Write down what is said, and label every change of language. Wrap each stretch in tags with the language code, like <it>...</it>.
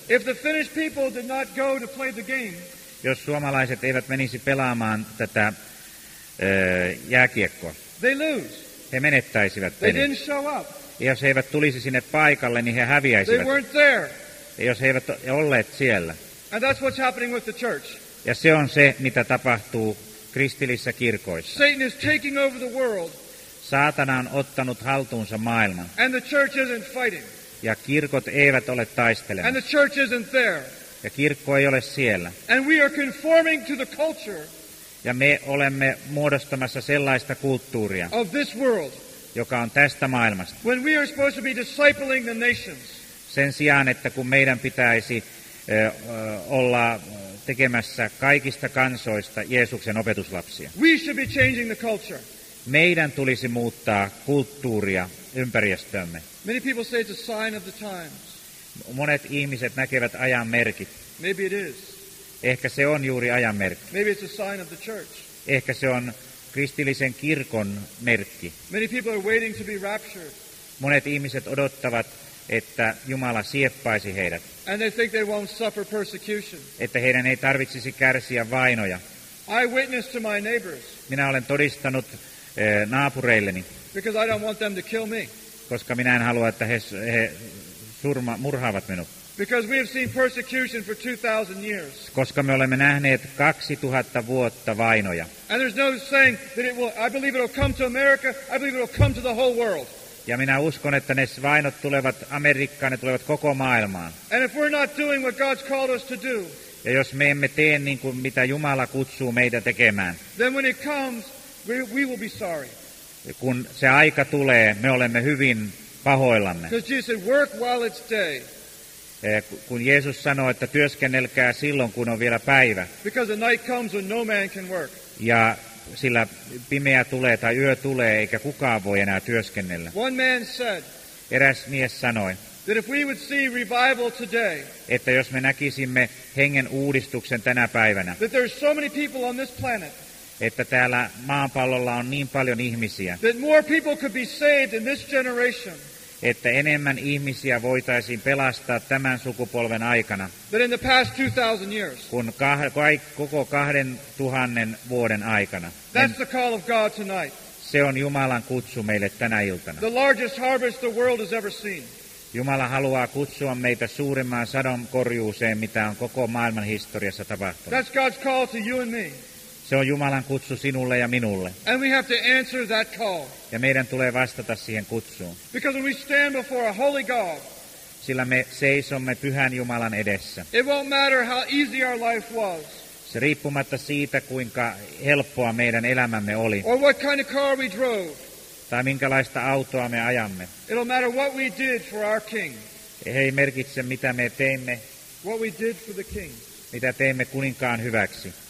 <en>If the Finnish people did not go to play the game.</en> <fi>Jos suomalaiset eivät menisi pelaamaan tätä jääkiekkoa.</fi> <en>They lose.</en> <fi>He menettäisivät pelin.</fi> <en>They didn't show up.</en> <fi>Jos he eivät tulisi sinne paikalle, niin he häviäisivät.</fi> <en>They weren't there.</en> <fi>Jos he eivät olleet siellä.</fi> <en>And that's what's happening with the church.</en> <fi>Ja se on se, mitä tapahtuu kristillisissä kirkoissa.</fi> <en>Satan is taking over the world.</en> <fi>Saatana on ottanut haltuunsa maailman.</fi> <en>And the church isn't fighting.</en> <fi>Ja kirkot eivät ole taistelemassa.</fi> <en>And the church isn't there.</en> <fi>Ja kirkko ei ole siellä.</fi> <en>And we are conforming to the culture.</en> <fi>Ja me olemme muodostamassa sellaista kulttuuria,</fi> <en>of this world,</en> <fi>joka on tästä maailmasta.</fi> <en>When we are supposed to be discipling the nations.</en> <fi>Sen sijaan, että kun meidän pitäisi olla tekemässä kaikista kansoista Jeesuksen opetuslapsia.</fi> <en>We should be changing the culture.</en> <fi>Meidän tulisi muuttaa kulttuuria ympäristöömme.</fi> <en>Many people say it's a sign of the times.</en> <fi>Monet ihmiset näkevät ajan merkit.</fi> <en>Maybe it is.</en> <fi>Ehkä se on juuri ajan merkki.</fi> <en>Maybe it's a sign of the church.</en> <fi>Ehkä se on kristillisen kirkon merkki.</fi> <en>Many people are waiting to be raptured.</en> <fi>Monet ihmiset odottavat, että Jumala sieppaisi heidät.</fi> <en>And they think they won't suffer persecution.</en> <fi>Että heidän ei tarvitsisi kärsiä vainoja.</fi> <en>I witness to my neighbors.</en> <fi>Minä olen todistanut naapureilleni.</fi> <en>Because I don't want them to kill me.</en> <fi>Koska minä en halua, että he murhaavat minut.</fi> <en>Because we have seen persecution for 2,000 years.</en> <fi>Koska me olemme nähneet 2,000 vuotta vainoja.</fi> <en>And there's no saying that it will. I believe it will come to America. I believe it will come to the whole world.</en> <fi>Ja minä uskon, että ne vainot tulevat Amerikkaan, ne tulevat koko maailmaan.</fi> <en>And if we're not doing what God's called us to do.</en> <fi>Ja jos me emme tee niin kuin mitä Jumala kutsuu meitä tekemään.</fi> <en>Then when it comes, we will be sorry.</en> <fi>Kun se aika tulee, me olemme hyvin pahoillamme.</fi> <en>Because Jesus said, work while it's day.</en> <fi>Kun Jeesus sanoo, että työskennelkää silloin, kun on vielä päivä.</fi> <en>Because the night comes when no man can work.</en> <fi>Ja sillä pimeä tulee tai yö tulee, eikä kukaan voi enää työskennellä.</fi> <en>One man said,</en> <fi>eräs mies sanoi,</fi> <en>that if we would see revival today,</en> <fi>että jos me näkisimme hengen uudistuksen tänä päivänä,</fi> <en>that there's so many people on this planet,</en> <fi>että täällä maapallolla on niin paljon ihmisiä,</fi> <en>that more people could be saved in this generation,</en> <fi>että enemmän ihmisiä voitaisiin pelastaa tämän sukupolven aikana,</fi> <en>but in the past 2,000 years,</en> <fi>kun koko 2,000 vuoden aikana.</fi> <en>That's the call of God tonight.</en> <fi>Se on Jumalan kutsu meille tänä iltana.</fi> <en>The largest harvest the world has ever seen.</en> <fi>Jumala haluaa kutsua meitä suurimman sadon korjuuseen, mitä on koko maailman historiassa tapahtunut.</fi> <en>That's God's call to you and me.</en> <fi>Se on Jumalan kutsu sinulle ja minulle.</fi> <en>And we have to answer that call.</en> <fi>Ja meidän tulee vastata siihen kutsuun.</fi> <en>Because when we stand before a holy God,</en> <fi>sillä me seisomme pyhän Jumalan edessä.</fi> <en>It won't matter how easy our life was.</en> <fi>Se riippumatta siitä, kuinka helppoa meidän elämämme oli.</fi> <en>Or what kind of car we drove.</en> <fi>Tai minkälaista autoa me ajamme.</fi> <en>It'll matter what we did for our king.</en> <fi>Ei merkitse, mitä me teimme.</fi> <en>What we did for the king.</en> <fi>Mitä teimme kuninkaan hyväksi.</fi>